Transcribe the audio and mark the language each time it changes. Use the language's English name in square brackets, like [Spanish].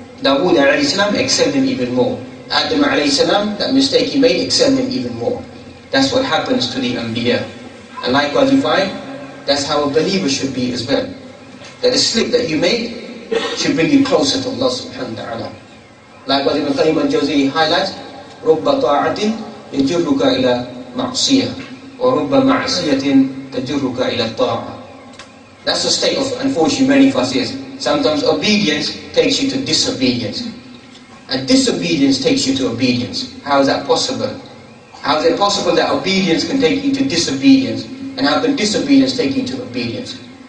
[English] Dawood alayhi salam excelled him even more. Adam alayhi salam, that mistake he made, excelled him even more. That's what happens to the anbiya. And likewise, you find that's how a believer should be as well. That the slip that you make should bring you closer to Allah subhanahu wa ta'ala. Likewise, Ibn Qayyim al-Jawziyah highlights, [Arabic] رُبَّ طَاعَةٍ يَجُرُّكَ إِلَى مَعْصِيَةٍ وَرُبَّ مَعْصِيَةٍ تَجُرُّكَ إِلَى الطَّاعَةٍ. [English] That's the state of, unfortunately, many of us is. Sometimes obedience takes you to disobedience. And disobedience takes you to obedience. How is that possible? How is it possible that obedience can take you to disobedience? And how can disobedience take you to obedience?